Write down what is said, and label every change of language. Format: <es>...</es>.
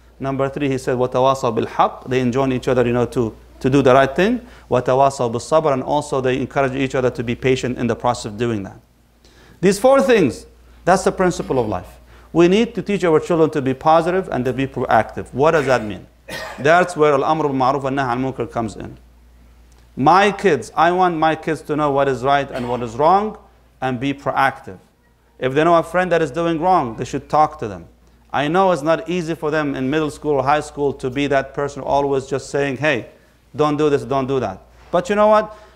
<en>Number three, he said,</en> <ar>وَتَوَاصَوْا بِالْحَقِّ,</ar> <en>they enjoin each other, you know, to do the right thing.</en> <ar>وَتَوَاصَوْا بِالصَّبْرِ,</ar> <en>and also they encourage each other to be patient in the process of doing that. These four things, that's the principle of life. We need to teach our children to be positive and to be proactive. What does that mean? That's where</en> <ar>الْأَمْرُ بِالْمَعْرُوفِ وَالنَّهْيِ عَنِ الْمُنكَرِ</ar> <en>comes in. My kids, I want my kids to know what is right and what is wrong and be proactive. If they know a friend that is doing wrong, they should talk to them I know it's not easy for them in middle school or high school to be that person always just saying, hey, don't do this, don't do that. But you know what?</en>